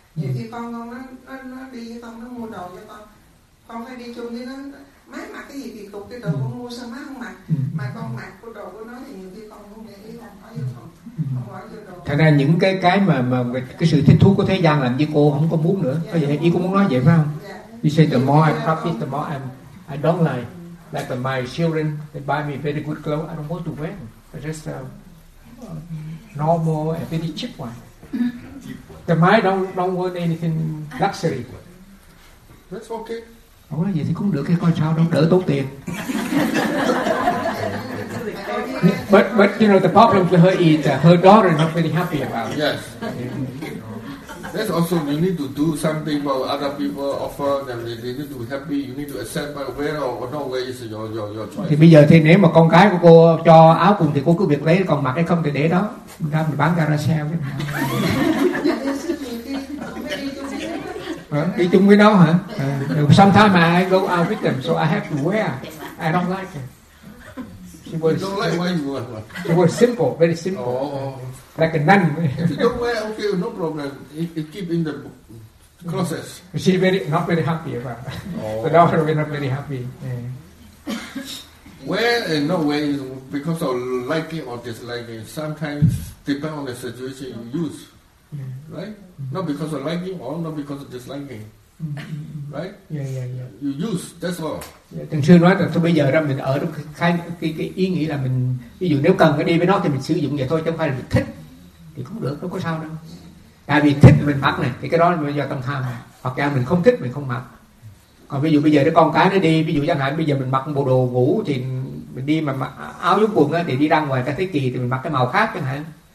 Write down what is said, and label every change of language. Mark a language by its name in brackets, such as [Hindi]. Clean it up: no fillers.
[Vietnamese] Nhiều khi con nó đi với con, nó mua đồ cho con phải đi chung với nó, máy mặc cái gì thì cục cái đồ con mua sao má không mặc. Mà con mặc cái đồ của nó thì nhiều khi con cũng để ý là có vô phòng. Thật ra những cái mà cái sự thích thú của thế gian làm như cô không có muốn nữa. Có vậy, ý cũng muốn nói vậy phải không? [English] You say the more I practice, the more I don't like. Like my children, they buy me very good clothes, I don't want to wear them. I just normal and very cheap one. The mind don't want anything luxury. That's okay. [Vietnamese] Ủa vậy thì cũng được, cái coi sao đâu, đỡ tốn tiền. [English] But you know the problem for her is her daughter is not very happy about it. Yes. That's also, you need to do something for other people, offer them, they need to be happy, you need to accept by where or not where is your choice. [Vietnamese] Thì bây giờ thì nếu mà con cái của cô cho áo cùng thì cô cứ việc lấy, còn mặc hay không thì để đó, ra mình bán garage sale. Đi chung với đâu hả? [English] Sometimes I go out with them, so I have to wear. I don't like it. It was simple, very simple. Oh. Like a nun. If you don't wear, okay, no problem. It keep in the closet. She very not very happy about it. Oh. The daughter was not very happy. Wear and not wear is because of liking or disliking. Sometimes depend on the situation you use. Right? Mm-hmm. Not because of liking or not because of disliking. Mm-hmm. Right? Yeah. You use, that's all. [Vietnamese] Thường xưa nói là tôi bây giờ ra mình ở trong cái ý nghĩ là mình, ví dụ nếu cần cái đi với nó thì mình sử dụng vậy thôi, chứ không phải là mình thích thì cũng được, đâu có sao đâu. Tại vì thích mình mặc này, thì cái đó là do tâm tham này. Hoặc là mình không thích mình không mặc. Còn ví dụ bây giờ cái con cái nó đi, ví dụ chẳng hạn bây giờ mình mặc một bộ đồ ngủ thì mình đi mà mặc áo giống quần thì đi ra ngoài cái thế kỳ thì mình mặc cái màu khác chẳng hạn.